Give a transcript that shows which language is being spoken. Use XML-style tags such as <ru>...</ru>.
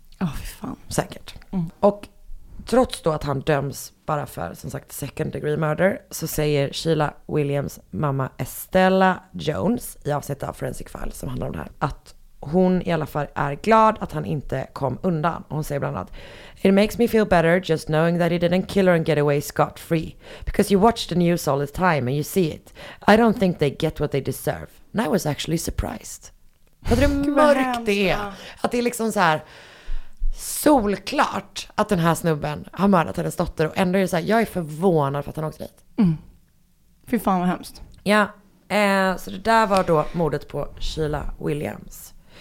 <sv>Ja, oh, fy fan. Säkert. Och trots då att han döms bara för, som sagt, second degree murder, så säger Sheila Williams mamma Estella Jones i avsnittet av Forensic Files som handlar om det här, att hon i alla fall är glad att han inte kom undan.</sv> <en>Hon säger bland annat: "It makes me feel better just knowing that he didn't kill her and get away scot-free. Because you watch the news all the time and you see it. I don't think they get what they deserve. And I was actually surprised."</en> <sv>Vad mörkt det är. Att det är liksom så här solklart att den här snubben har mördat hennes dotter. Och ändå är det så här, jag är förvånad för att han åkte dit. Fy fan vad hemskt. Ja, så det där var då mordet på Sheila Williams.</sv>